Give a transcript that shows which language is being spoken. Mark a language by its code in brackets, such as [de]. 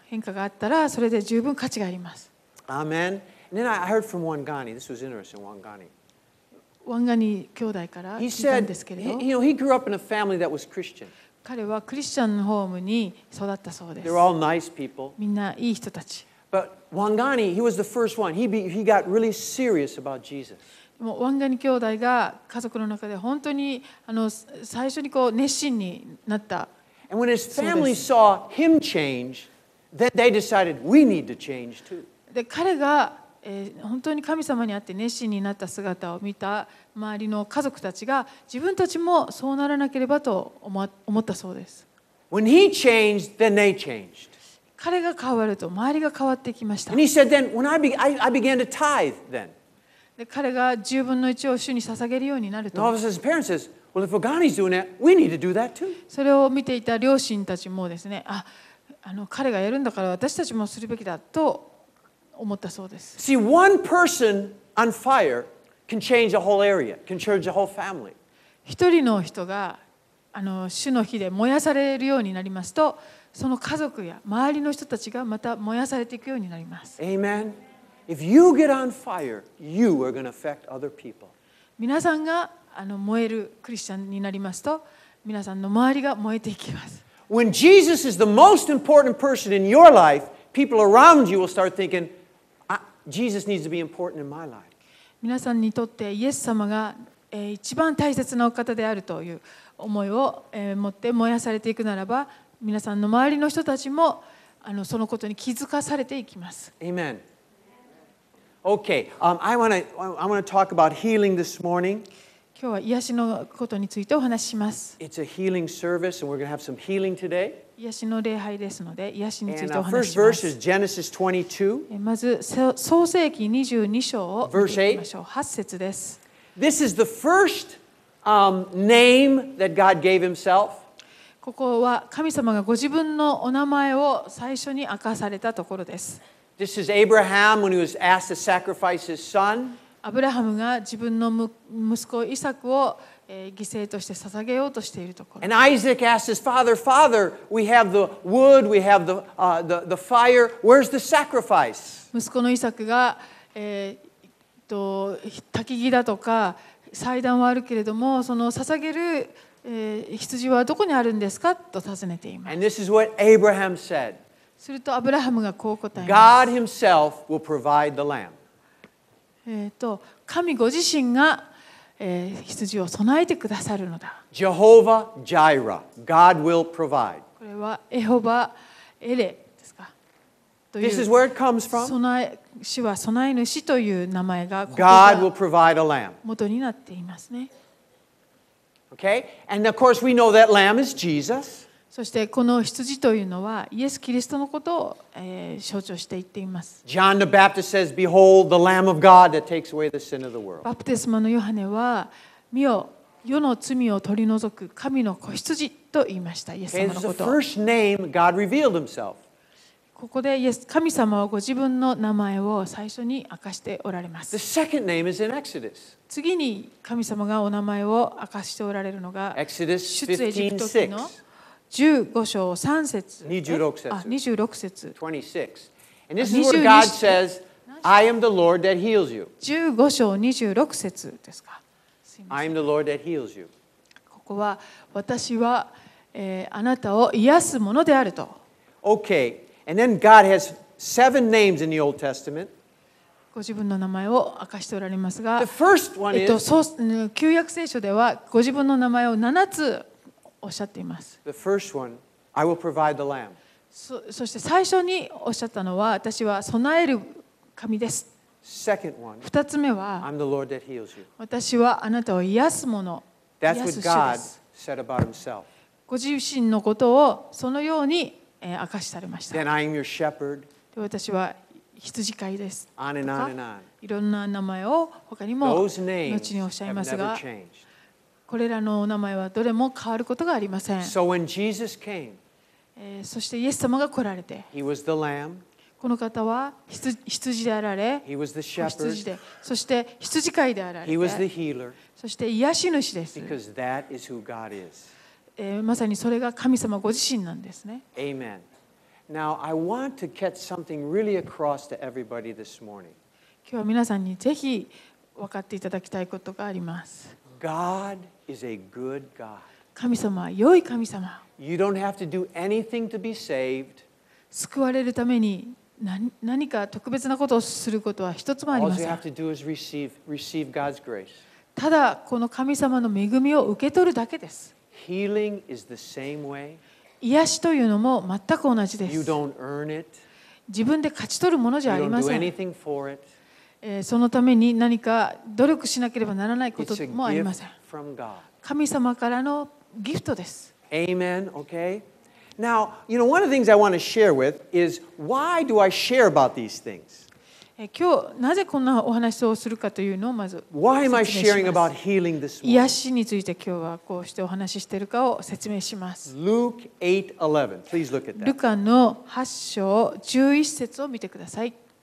[ja] 変化があったらそれで十分価値があります。 [en] アーメン。And then I heard from one Ghani. This was interesting. One Ghani. [ja] ワンガニ兄弟から聞いたんですけれど、 [en] He said, you know, he grew up in a family that was Christian. [ja] 彼はクリスチャンのホームに育ったそうです。 [en] They're all nice people. [ja] みんないい人たち。 [en] But one Ghani, he was the first one. He got really serious about Jesus. [ja] もうワンガニ兄弟が家族の中で本当に最初にこう熱心になった。 [en] And when his family saw him change, then they decided we need to change too. [ja] で彼が、本当に神様に会って熱心になった姿を見た周りの家族たちが自分たちもそうならなければと思ったそうです。 [en] When he changed, then they changed. [ja] 彼が変わると周りが変わってきました。 [en] And he said then when I began to tithe then. [ja] で彼が十分の一を主に捧げるようになると。 [en] And all of his parents says,Well, if Ghani's doing it, we need to do that too. [ja] それを見ていた両親たちもですね、彼がやるんだから私たちもするべきだと思ったそうです。 [en] See, one person on fire can change a whole area, can change a whole family. [ja] 一人の人が主の火で燃やされるようになりますと、その家族や周りの人たちがまた燃やされていくようになります。 [en] Amen. If you get on fire, you are going to affect other people. [ja] 皆さんが燃えるクリスチャンになりますと皆さんの周りが燃えていきます。 [en] When Jesus is the most important person in your life, people around you will start thinking, Jesus needs to be important in my life. [ja] 皆さんにとってイエス様が一番大切なお方であるという思いを持って燃やされていくならば、皆さんの周りの人たちもそのことに気づかされていきます。 [en] Amen. Okay. I want to talk about healing this morning. [ja] 今日は癒しのことについてお話します。 [en] It's a healing service and we're going to have some healing today. [ja] 癒しの礼拝ですので癒しについてお話します。 [en] And our first verse is Genesis 22. [ja] まず創世記22章を見てみましょう。 [en] Verse 8. [ja] 8節です。 [en] This is the first name that God gave himself. [ja] ここは神様がご自分のお名前を最初に明かされたところです。 [en] This is Abraham when he was asked to sacrifice his son. [ja] アブラハムが自分の息子イサクを犠牲として捧げようとしているところ。 [en] And Isaac asked his father, Father, we have the wood, we have the fire, where's the sacrifice? [ja] 息子のイサクが、焚き木だとか祭壇はあるけれども、その捧げる、羊はどこにあるんですかと尋ねています。 [en] And this is what Abraham said. [ja] するとアブラハムがこう答えます。 [en] God himself will provide the lamb. [ja] 神ご自身が、羊を備えてくださるのだ。 [en] Jehovah Jireh, God will provide. [ja] これはエホバエレですか。 [en] This is where it comes from. [ja] 主は備え主という名前が [en] God will provide a lamb. [ja] 元になっていますね。 [en] Okay, and of course we know that lamb is Jesus. [ja] そしてこの羊というのはイエス・キリストのことを、象徴して言っています。 [en] John the Baptist says, Behold, the Lamb of God that takes away the sin of the world. [ja] バプテスマのヨハネは、見よ、世の罪を取り除く神の子羊と言いました、イエス様のこと。 [en] Okay, this is the first name God revealed himself. [ja] ここで神様はご自分の名前を最初に明かしておられます。 [en] The second name is in Exodus. [ja] 次に神様がお名前を明かしておられるのが [en] Exodus [ja] 出エジプト記の15章3節 26 節 26節 [en] And this is where God says I am the Lord that heals you. [ja] 15章26節ですか。すいません。 [en] I am the Lord that heals you. [ja] ここは私は、あなたを癒すものであると。 [en] Okay. And then God has seven names in the Old Testament. [ja] ご自分の名前を明かしておられますが、 [en] The first one is, [ja] 旧約聖書ではご自分の名前を七つおっしゃっています。 [en] The first one, I will provide the lamb. [ja] そして最初におっしゃったのは、私は備える神です。 [en] Second one, [ja] 二つ目は、 [en] I'm the Lord that heals you. [ja] 私はあなたを癒すもの、 [en] That's what God said about himself. [ja] ご自身のことをそのように明かしされました。 [en] Then I am your shepherd. [ja] 私は羊飼いです。 [en] on and on and on. [ja] いろんな名前を他にも後におっしゃいますが、これらのお名前はどれも変わることがありません。 [en] So when Jesus came, [ja] そしてイエス様が来られて、 [en] He was the lamb. [ja] この方は羊であられ、 [en] He was the shepherd. [ja] で、そして羊飼いであられて、 [en] He was the healer. [ja] そして癒し主です。 [en] Because that is who God is. [ja] まさにそれが神様ご自身なんですね。 [en] Amen. Now, I want to get something really across to everybody this morning. [ja] 今日は皆さんにぜひ分かっていただきたいことがあります。 [en] God is a good God. [ja] 神様は良い神様。 [en] You don't have to do anything to be saved. [ja] 救われるために何か特別なことをすることは一つもありません。 [en] All you have to do is receive God's grace. [ja] ただこの神様の恵みを受け取るだけです。 [en] Healing is the same way. [ja] 癒しというのも全く同じです。 [en] You don't earn it. [ja] 自分で勝ち取るものじゃありません。 [en] You don't do anything for it. [ja] そのために何か努力しなければならないこともありません。 [en] It's a gift from God. [ja] 神様からのギフトです。 [en] Amen. Okay. Now, you know, one of the things I want to share with is why do I share about these things? [ja] 今日なぜこんなお話をするかというのをまず説明します。 [en] Why am I sharing about healing this morning? [ja] 癒しについて今日はこうしてお話ししているかを説明します。 [en] Luke 8:11. Please look at that. [ja] ルカの8章11節を見てください。